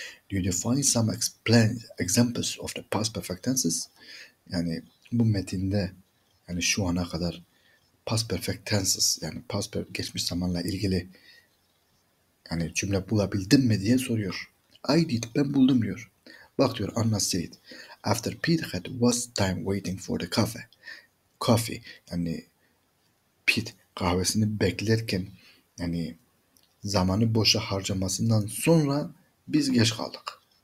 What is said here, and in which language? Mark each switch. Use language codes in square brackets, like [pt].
[en] Do you find some examples of the past perfect tenses? [tr] Yani bu metinde yani şu ana kadar past perfect tenses yani past geçmiş zamanla ilgili yani cümle bulabildin mi diye soruyor. [en] I did, [tr] ben buldum diyor. Bak diyor Anna said. [en] After Pete had was time waiting for the cafe. [tr] Coffee yani Pete kahvesini beklerken yani zamanı boşa harcamasından sonra biz geç kaldık.